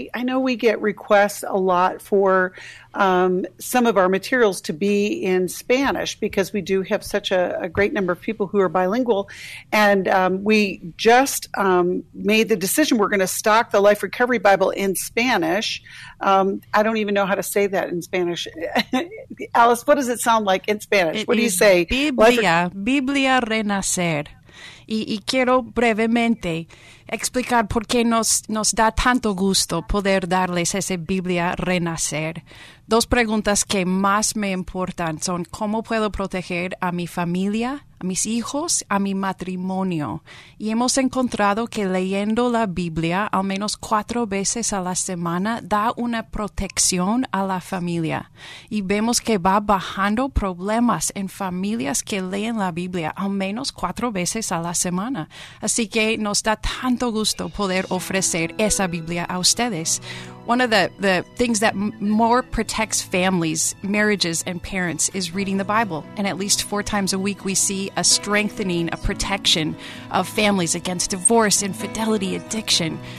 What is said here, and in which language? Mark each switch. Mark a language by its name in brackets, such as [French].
[English] I know we get requests a lot for some of our materials to be in Spanish because we do have such a great number of people who are bilingual. And we just made the decision we're going to stock the Life Recovery Bible in Spanish. I don't even know how to say that in Spanish. Alice, what does it sound like in Spanish? What do you say? [Spanish] Biblia Renacer. Y quiero brevemente explicar por qué nos da tanto gusto poder darles ese Biblia Renacer. Dos preguntas que más me importan son cómo puedo proteger a mi familia, a mis hijos, a mi matrimonio. Y hemos encontrado que leyendo la Biblia al menos 4 veces a la semana da una protección a la familia. Y vemos que va bajando problemas en familias que leen la Biblia al menos 4 veces a la semana. Así que nos da tanto gusto poder ofrecer esa Biblia a ustedes. [English] One of the things that more protects families, marriages, and parents is reading the Bible. And at least 4 times a week, we see a strengthening, a protection of families against divorce, infidelity, addiction.